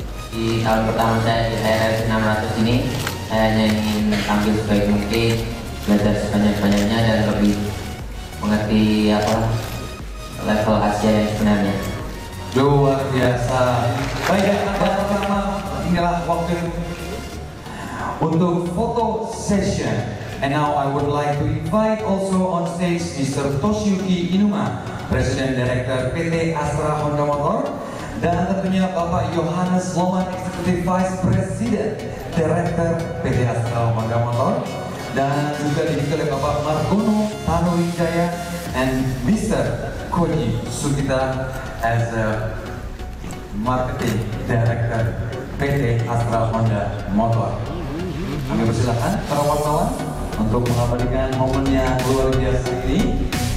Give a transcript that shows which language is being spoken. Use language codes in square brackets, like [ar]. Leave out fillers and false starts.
[id] Di tahun pertama saya di ARS 600 ini, saya hanya ingin tampil sebaik mungkin, belajar sebanyak-banyaknya dan lebih mengerti apa level Asia yang sebenarnya. Luar biasa. Baiklah, pertama inilah waktu untuk foto session. [en] And now I would like to invite also on stage Mr. Toshiyuki Inuma, President Director PT Astra Honda Motor, [id] dan tentunya Bapak [en] Johannes Loman, Executive Vice President Director PT Astra Honda Motor. [id] Dan juga diikuti oleh Bapak Margono Tanuwijaya and Mr. [en] Koji Sukita as a Marketing Director PT Astra Honda Motor. [id] Kami persilakan para wartawan untuk mengabadikan momen yang luar biasa ini.